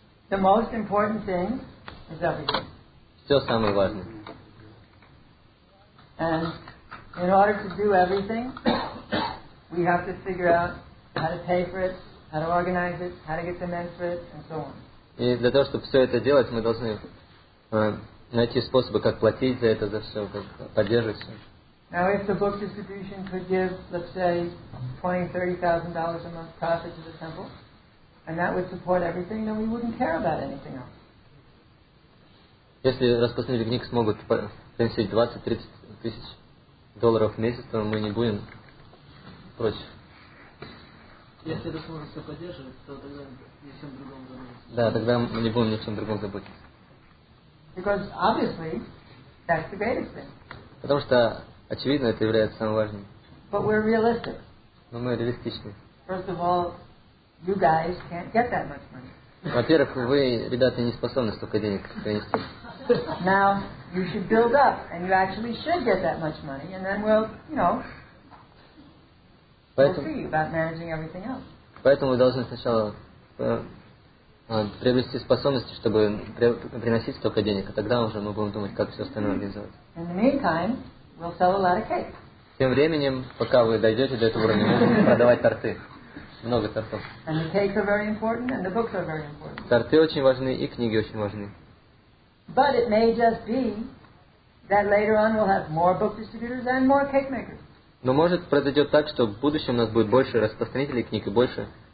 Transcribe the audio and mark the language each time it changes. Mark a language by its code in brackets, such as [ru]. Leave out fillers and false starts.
[en] The most important thing is everything. And in order to do everything, we have to figure out how to pay for it, how to organize it, how to get the men for it, and so on. [ru] И для того, чтобы все это делать, мы должны найти способы, как платить за это, за все, как поддерживать все. [en] Now, if the book distribution could give, let's say, $20,000-$30,000 a month profit to the temple, and that would support everything, then we wouldn't care about anything else. [ru] Если распространители книг смогут принести $20,000-$30,000 в месяц, то мы не будем против. Если это сможет все поддерживать, то тогда ни о чем другом заботиться. Да, тогда мы не будем ни о чем другом заботиться. [en] Because obviously, that's the greatest thing. [ru] Потому что очевидно, это является самым важным. [en] But we're realistic. [ru] Но мы реалистичны. [en] First of all, you guys can't get that much money. [ru] Во-первых, вы, ребята, не способны столько денег принести. [en] Now you should build up, and you actually should get that much money, and then we'll, you know, [ru] поэтому, [en] we'll see about managing everything else. [ru] Поэтому вы должны сначала приобрести способности, чтобы приносить столько денег, а тогда уже мы будем думать, как все остальное организовать. [en] In the meantime, we'll sell a lot of cake. [ru] Тем временем, пока вы дойдете до этого уровня, мы будем продавать торты. Много тортов. [en] And the cakes are very important, and the books are very important. [ru] Торты очень важны, и книги очень важны. [en] But it may just be that later on we'll have more book distributors and more cake makers. [ru] Но может произойдет так, что в будущем у нас будет больше распространителей книг и больше...